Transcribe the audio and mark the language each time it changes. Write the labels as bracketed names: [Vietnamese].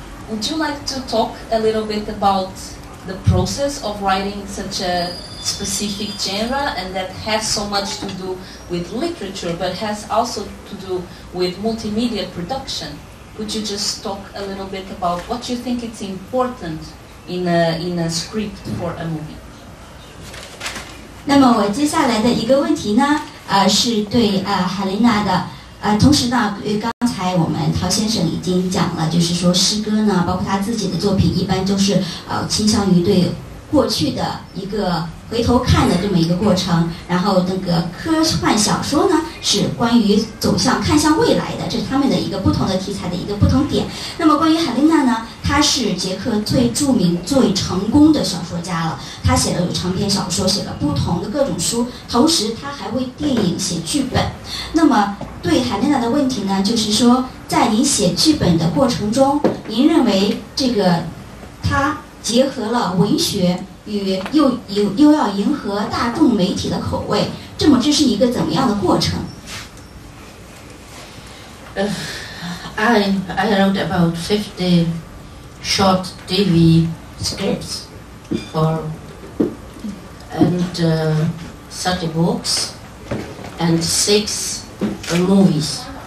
[English] Would you like to talk a little bit about the process of writing such a specific genre, and that has so much to do with literature, but has also to do with multimedia production? Could you just talk a little bit about what you think it's important in a script for a movie? [Chinese] 那么我接下来的一个问题呢，是对海琳娜的。同时呢，与刚才我们陶先生已经讲了，就是说诗歌呢，包括他自己的作品，一般就是倾向于对过去的一个回头看的这么一个过程。然后那个科幻小说呢，是关于走向看向未来的，这是他们的一个不同的题材的一个不同点。那么关于海琳娜呢，她是捷克最著名最成功的小说家了，她写了有长篇小说，写了不同的各种书，同时她还为电影写剧本。那么对海琳娜的问题呢，就是说在您写剧本的过程中，您认为这个她结合了文学与又要迎合大众媒体的口味，这么这是一个怎么样的过程？ [English] I wrote about 50 short TV scripts for and 30 books and 6 movies.